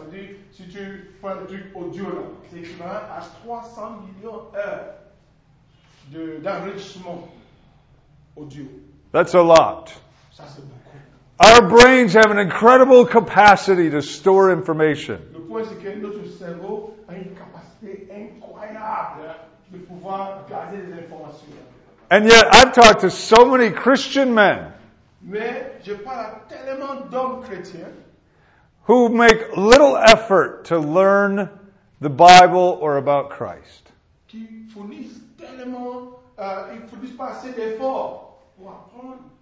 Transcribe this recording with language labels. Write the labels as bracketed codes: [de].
[fr] C'est-à-dire, si tu prends le truc audio là, c'est équivalent à 300 millions d'heures d'enrichissement audio. [en] That's a lot. [fr] Ça, c'est beaucoup. [en] Our brains have an incredible capacity to store information. [fr] Le point, c'est que notre cerveau a une capacité incroyable de pouvoir garder des informations. [en] And yet, I've talked to so many Christian men. [fr] Mais je parle à tellement d'hommes chrétiens [en] who make little effort to learn the Bible or about Christ. [fr] Qui fournissent tellement, ils ne fournissent pas assez d'efforts pour apprendre.